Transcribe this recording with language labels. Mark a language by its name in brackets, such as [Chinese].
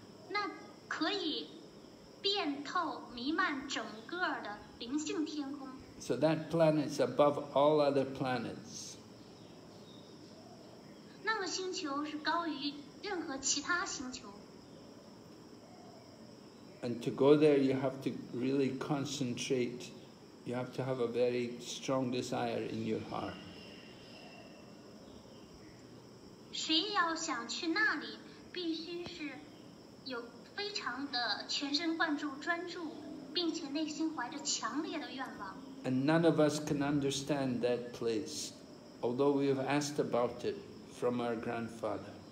[Chinese] 那可以遍透弥漫整个的。 [English] So that planet's above all other planets. [Chinese] 那个星球是高于任何其他星球。 [English] And to go there, you have to really concentrate. You have to have a very strong desire in your heart. [Chinese] 谁要想去那里，必须是有非常的全神贯注、专注。并且内心怀着强烈的愿望。 [English] And none of us can understand that place, although we have asked about it from our grandfather.